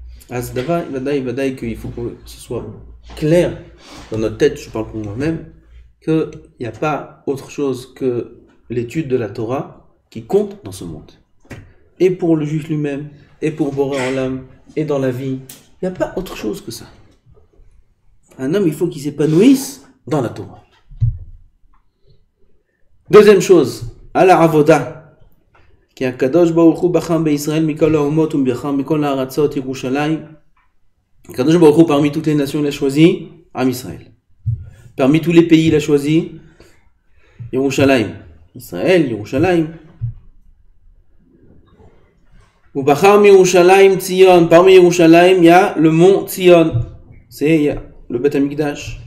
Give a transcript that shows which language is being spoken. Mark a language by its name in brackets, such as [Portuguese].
[French] Azdava, Vadaï, Vadaï, qu'il faut que ce soit clair dans notre tête, je parle pour moi-même, qu'il n'y a pas autre chose que l'étude de la Torah qui compte dans ce monde. Et pour le juif lui-même, et pour Borei Olam, et dans la vie, il n'y a pas autre chose que ça. Un homme, il faut qu'il s'épanouisse dans la Torah. Deuxième chose, Ala Avoda. [Hebrew] כי הקדוש ברוך הוא בחם בישראל מכל האומות ומבחם מכל הארצות ירושלים. [French] הקדוש ברוך הוא parmi toutes les nations l'a choisi, עם ישראל. Parmi tous les pays l'a choisi, ירושלים. [Hebrew] ישראל, ירושלים. ובחר מירושלים ציון, [French] parmi ירושלים, il y a le mont Tzion. C'est le Beth HaMikdash.